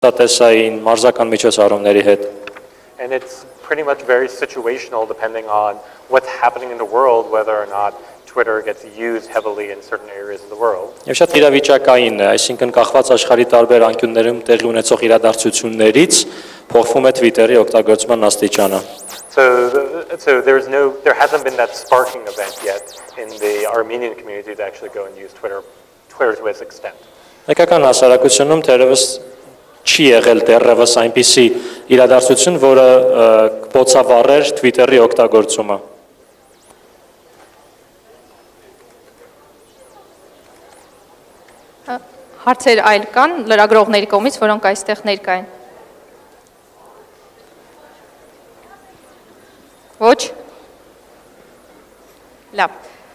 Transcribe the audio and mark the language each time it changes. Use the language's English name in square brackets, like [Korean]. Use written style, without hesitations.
[Armenian] տատեսային մարզական միջոցառումների հետ. [English] And it's pretty much very situational depending on what's happening in the world, whether or not Twitter gets used heavily in certain areas of the world. [Armenian] Եվ շատ իրավիճակային է, այսինքն կախված աշխարհի տարբեր անկյուններում տեղի ունեցող իրադարձություններից փոխվում է Twitter-ի օգտագործման աստիճանը. [English] So there hasn't been that sparking event yet in the Armenian community to actually go and use Twitter to its extent. [Armenian] Հայկական հասարակությունում թերևս չի եղել դեռևս այնպիսի իրադարձություն, որը կփոցավառեր Twitter-ի օգտագործումը. Հարցեր այլ կան լրագրողների կողմից, որոնք այստեղ ներկա են։ Ոչ։ Լավ։